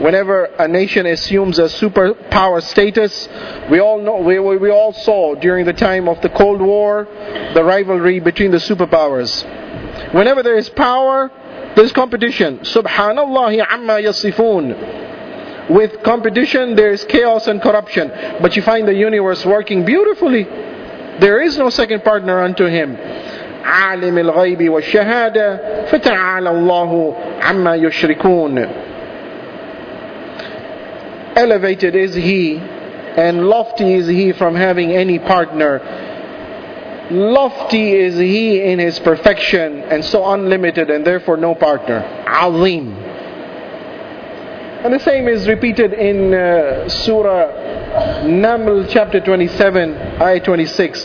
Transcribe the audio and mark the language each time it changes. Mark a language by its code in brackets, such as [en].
[en] whenever a nation assumes a superpower status, we all know, we all saw during the time of the Cold War, the rivalry between the superpowers. Whenever there is power, there's competition. Subhanallah amma yasifoon. With competition, there is chaos and corruption. But you find the universe working beautifully. There is no second partner unto him. [ar] عالم الغيب والشهادة فتعالى الله عما يشركون. [en] Elevated is he and lofty is he from having any partner. Lofty is he in his perfection and so unlimited and therefore no partner. عظيم. And the same is repeated in Surah Naml chapter 27, ayah 26.